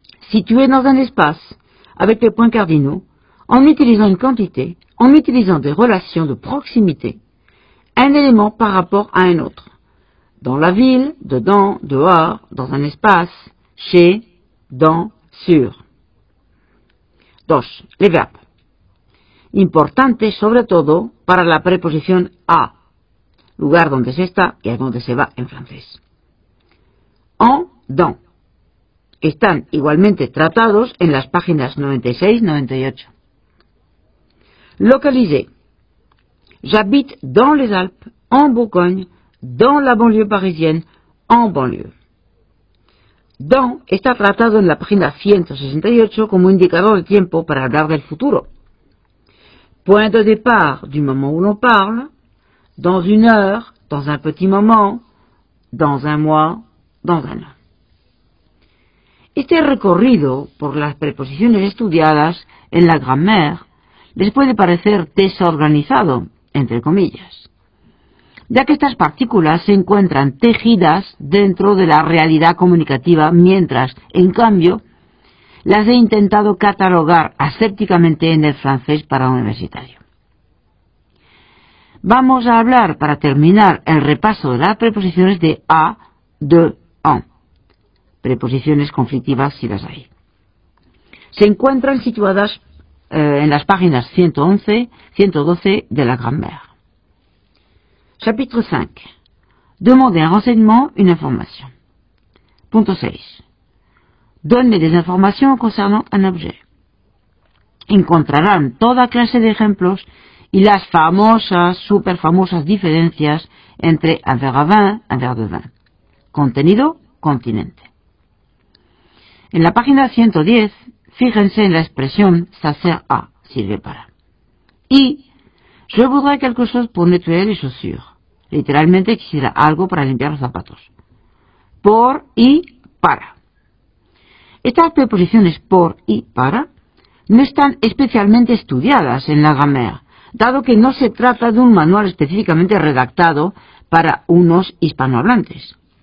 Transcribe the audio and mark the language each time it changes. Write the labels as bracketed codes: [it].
[fr] Situées dans un espace avec les points cardinaux, en utilisant une quantité, en utilisant des relations de proximité, un élément par rapport à un autre. Dans la ville, dedans, dehors, dans un espace, chez, dans, sur. 2. Les verbes. [es] Importante sobre todo para la preposición a, lugar donde se está y a donde se va en francés. En, dans. Están igualmente tratados en las páginas 96-98. [fr] Localiser. J'habite dans les Alpes, en Bourgogne, dans la banlieue parisienne, en banlieue. [es] Dans está tratado en la página 168 como indicador de tiempo para hablar del futuro. [fr] Point de départ du moment où l'on parle, dans une heure, dans un petit moment, dans un mois, dans un an. [es] Este recorrido por las preposiciones estudiadas en la grammaire les puede parecer desorganizado, entre comillas, ya que estas partículas se encuentran tejidas dentro de la realidad comunicativa, mientras, en cambio, las he intentado catalogar asépticamente en el francés para universitario. Vamos a hablar, para terminar, el repaso de las preposiciones de a, de, en. Preposiciones conflictivas, si las hay. Se encuentran situadas en las páginas 111-112 de la grammaire. [fr] Chapitre 5. Demander un renseignement, une information. [es] Punto 6. [fr] Donner des informations concernant un objet. [es] Encontrarán toda clase de ejemplos y las famosas, super famosas diferencias entre [fr] un verre à vin, un verre de vin. [es] Contenido, continente. En la página 110, fíjense en la expresión «s'asser à», sirve para. [fr] Y «je voudrais quelque chose pour nettoyer les chaussures». [es] Literalmente, quisiera algo para limpiar los zapatos. Por y para. Estas preposiciones «por» y «para» no están especialmente estudiadas en la gramática, dado que no se trata de un manual específicamente redactado para unos hispanohablantes.